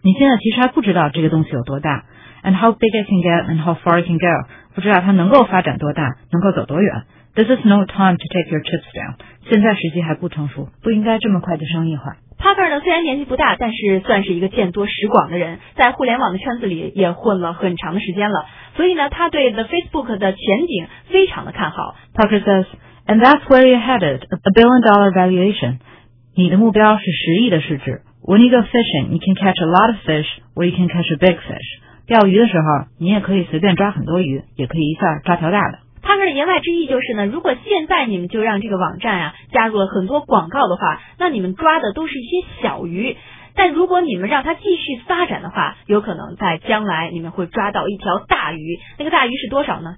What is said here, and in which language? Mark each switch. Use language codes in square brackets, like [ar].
[zh] 你现在其实还不知道这个东西有多大。 [en] And how big it can get and how far it can go. [zh] 不知道它能够发展多大，能够走多远。 [en] This is no time to take your chips down. [zh] 现在时机还不成熟，不应该这么快就商业化。 Parker 呢，虽然年纪不大，但是算是一个见多识广的人，在互联网的圈子里也混了很长的时间了，所以呢，他对 The Facebook 的前景非常的看好。 [en] Parker says, and that's where you're headed, $1 billion valuation. [zh] 你的目标是10亿的市值。 [en] When you go fishing, you can catch a lot of fish or you can catch a big fish. [zh] 钓鱼的时候，你也可以随便抓很多鱼，也可以一下抓条大的。帕克的言外之意就是呢，如果现在你们就让这个网站啊加入了很多广告的话，那你们抓的都是一些小鱼。但如果你们让它继续发展的话，有可能在将来你们会抓到一条大鱼。那个大鱼是多少呢？